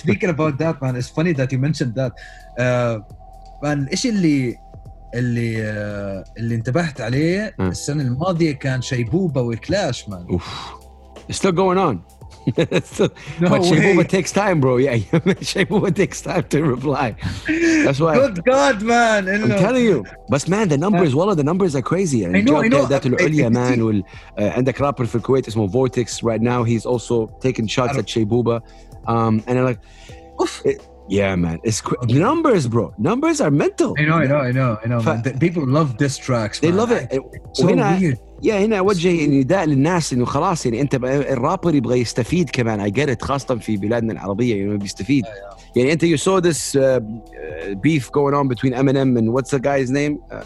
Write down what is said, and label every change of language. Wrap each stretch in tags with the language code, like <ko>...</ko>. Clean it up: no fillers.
<en>Speaking about that, man, it's funny that you mentioned that.</en> <ar>Man, إيش اللي انتبهت عليه السنة الماضية كان شيبوبا وكلاش, man.</ar> <en>Oof. It's still going on. Shaybuba takes time, bro. Yeah, Shaybuba takes time to reply. That's why. Good God, man. I'm telling you. But man, the numbers, the numbers are crazy. I know. And the rapper for Kuwait is Vortex right now. He's also taking shots at Shaybuba. And I'm like, man. It's numbers, bro. Numbers are mental. I know. Man. People love diss tracks. They man. Love it. It's so weird.</en> <ar>يا هنا أوجه نداء للناس إنه خلاص أنت الرابر يبغى يستفيد كمان.</ar> <en>I get it,</en> <ar>خاصة في بلادنا العربية بيستفيد.</ar> <en>أنت you saw this beef going on between Eminem and what's the guy's name?</en>